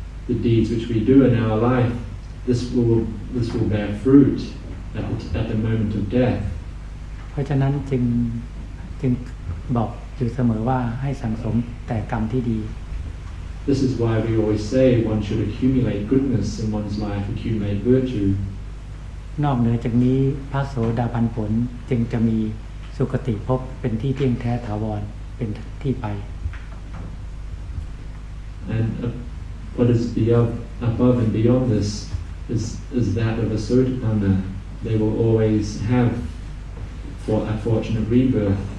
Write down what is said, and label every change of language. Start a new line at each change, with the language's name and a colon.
English: The deeds which we do in our life, this will bear fruit at the moment of death.
Thai: เพราะฉะนั้นจึงบอกอยู่เสมอว่าให้สั่งสมแต่กรรมที่ดี
English: This is why we always say one should accumulate goodness in one's life, accumulate virtue.
Thai: นอกเหนือจากนี้พระโสดาบันผลจึงจะมีสุคติภพเป็นที่เที่ยงแท้ถาวรเป็นที่ไป
English: And what is above and beyond this is that of a Sotapanna. They will always have for a fortunate rebirth.